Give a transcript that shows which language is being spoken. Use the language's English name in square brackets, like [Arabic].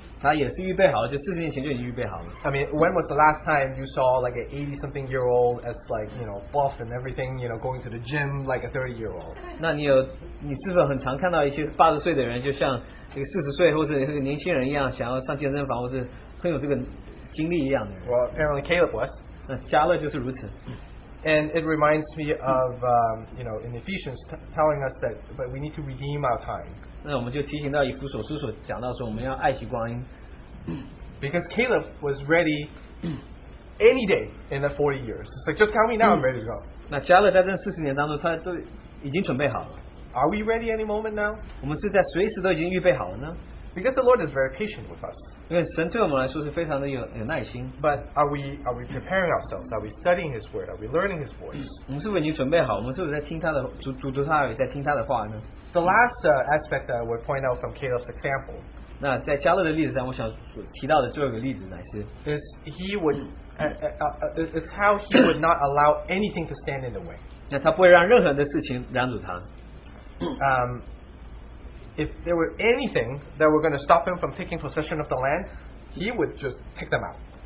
[Chinese] 他也是预备好了，就40年前就已经预备好了。 [English] I mean, when was the last time you saw like an 80-something-year-old as like, you know, buff and everything, you know, going to the gym like a 30-year-old? [Chinese] 那你有，你是否很常看到一些80岁的人，就像一个40岁或者年轻人一样，想要上健身房，或者很有这个精力一样的人？ [English] Well, apparently Caleb was. [Chinese] 那加勒就是如此。 [English] And it reminds me of, you know, in Ephesians telling us that, but we need to redeem our time. [Chinese] 那我们就提醒到以弗所书所讲到说我们要爱惜光阴。 [English] Because Caleb was ready any day in the 40 years. It's like, just tell me now, I'm ready to go. [Chinese] 那加勒在这40年当中他都已经准备好了。 [English] Are we ready any moment now? [Chinese] 我们是在随时都已经预备好了呢。 [English] Because the Lord is very patient with us. [Chinese] 因为神对我们来说是非常的有耐心。 [English] But are we preparing ourselves? Are we studying His Word? Are we learning His voice? [Chinese] 我们是否已经准备好? 我们是否在听他的话呢? [English] The last aspect that I would point out from Caleb's example, [Chinese] 那在加勒的例子上我想提到的最后一个例子乃是, [English] is he would, it's how he would not allow anything to stand in the way. [Chinese] 那他不会让任何的事情拦阻他。 [English] If there were anything that were going to stop him from taking possession of the land, he would just take them out.